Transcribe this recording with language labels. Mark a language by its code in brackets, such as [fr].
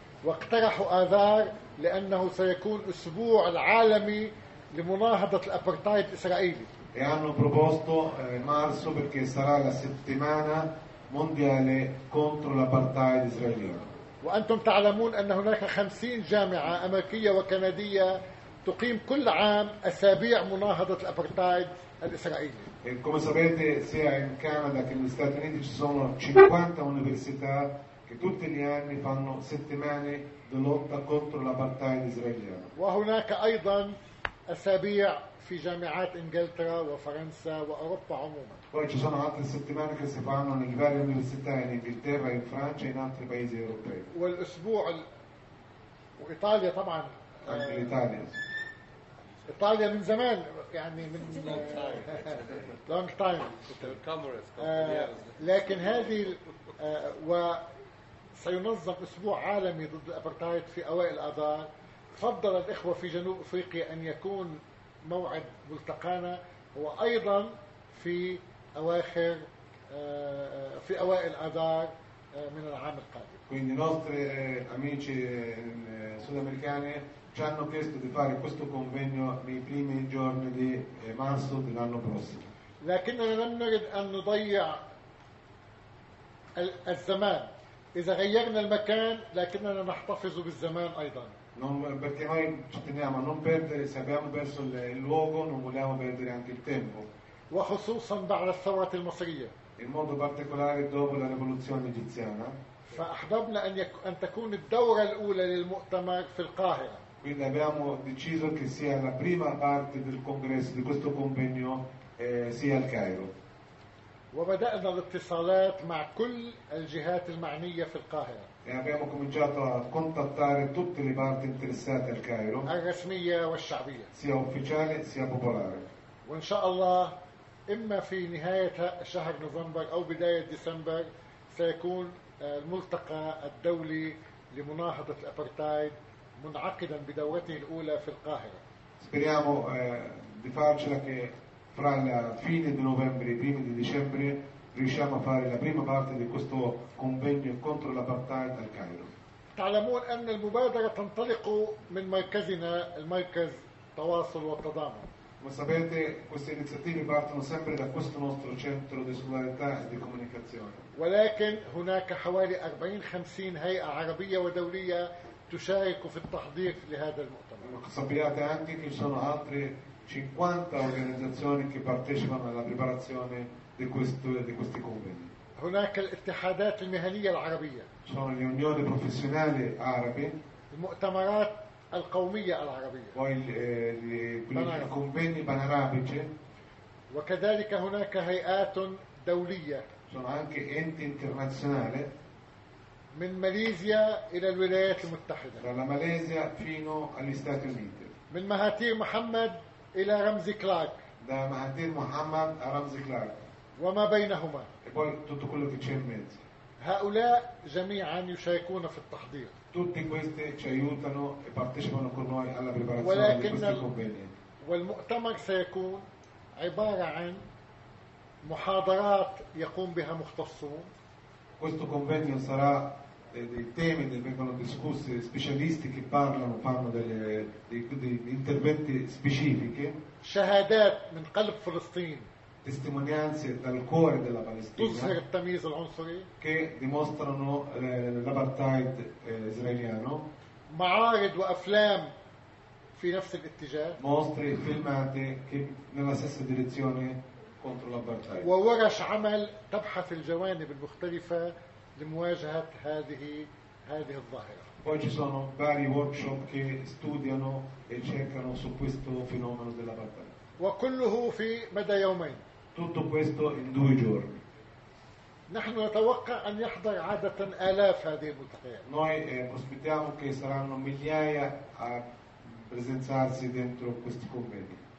[ar] واقترحوا آذار لأنه سيكون أسبوع عالمي لمناهضة الأبرتايد الإسرائيلي. [it] E hanno proposto marzo perché sarà la settimana mondiale contro l'apartheid israeliano. [ar] وأنتم تعلمون أن هناك 50 جامعة أمريكية وكندية تقيم كل عام أسابيع مناهضة الأبرتايد الإسرائيلي. [it] E come sapete sia in Canada che negli Stati Uniti ci sono 50 università che tutti gli anni fanno settimane di lotta contro l'apartheid israeliano. [ar] وهناك أيضا أسابيع في جامعات إنجلترا وفرنسا وأوروبا عموما. [it] Poi ci sono altre settimane che si fanno nelle varie università in Inghilterra, in Francia e in altri paesi europei. [ar] والأسبوع وإيطاليا طبعا. [it] Anche l'Italia. [ar] إيطاليا من زمان يعني من [en] long time [ar] لكن هذه وسينظم أسبوع عالمي ضد الأبرتايد في أوائل آذار. فضل الإخوة في جنوب أفريقيا أن يكون موعد ملتقانا هو أيضا في أوائل آذار من العام القادم. [it] Quindi i nostri amici sudamericani ci hanno chiesto di fare questo convegno nei primi giorni di marzo dell'anno prossimo. [ar] لكننا لم نريد أن نضيع الزمان. إذا غيرنا المكان لكننا نحتفظ بالزمان أيضا. [it] Non, perché noi ci teniamo a non perdere, se abbiamo perso il luogo non vogliamo perdere anche il tempo. [ar] وخصوصا بعد الثورة المصرية. [it] In modo particolare dopo la rivoluzione egiziana. [ar] فأحببنا أن تكون الدورة الأولى للمؤتمر في القاهرة. [it] Quindi abbiamo deciso che sia la prima parte del congresso, di questo convegno, sia al Cairo. [ar] وبدأنا الاتصالات مع كل الجهات المعنية في القاهرة. [it] E abbiamo cominciato a contattare tutte le parti interessate al Cairo. [ar] الرسمية والشعبية. [it] Sia ufficiale sia popolare. [ar] وإن شاء الله إما في نهاية شهر نوفمبر أو بداية ديسمبر سيكون الملتقى الدولي لمناهضة الأبرتايد منعقدا بدورته الأولى في القاهرة. [it] Speriamo di farcela che fra la fine di novembre e i primi di dicembre riusciamo a fare la prima parte di questo convegno contro l'apartheid al Cairo. [ar] تعلمون أن المبادرة تنطلق من مركزنا المركز تواصل والتضامن. [it] Come sapete queste iniziative partono sempre da questo nostro centro di solidarietà e di comunicazione. [ar] ولكن هناك حوالي 40-50 هيئة عربية ودولية تشارك في التحضير لهذا المؤتمر. [it] sappiate anche che ci sono altre 50 organizzazioni che partecipano alla preparazione di questi convegni. Sono le unioni professionali arabe, poi i convegni panarabici, [ar] وكذلك هناك هيئات دولية. [it] Sono anche enti internazionali. [ar] من ماليزيا إلى الولايات المتحدة. [it] Dalla Malesia fino agli Stati Uniti. [ar] من مهاتير محمد إلى رمزي كلارك. [it] Da Mahathir Muhammad a Ramzi Clark. [ar] وما بينهما. [it] E poi tutto quello che c'è in mezzo. [ar] هؤلاء جميعا يشاركون في التحضير. [it] Tutti questi ci aiutano e partecipano con noi alla preparazione di questi convegni. [ar] والمؤتمر سيكون عبارة عن محاضرات يقوم بها مختصون. [it] Questo convegno sarà dei temi che vengono discussi specialisti che parlano degli interventi specifici. [ar] شهادات من قلب فلسطين. [it] Testimonianze dal cuore della Palestina. Che dimostrano l'apartheid israeliano. [ar] معارض وأفلام في نفس الاتجاه. [it] Mostre filmate che nella stessa direzione contro l'apartheid. [ar] وورش عمل تبحث الجوانب المختلفة لمواجهة هذه الظاهرة. [it] Poi ci sono vari workshop che studiano e cercano su questo fenomeno dell'apartheid. [ar] وكله في مدى يومين. [it] Tutto questo in due giorni. [ar] نحن نتوقع أن يحضر عادة آلاف هذه الملتقيات. [it] Noi prospettiamo che saranno migliaia a presenziarsi dentro questi convegni.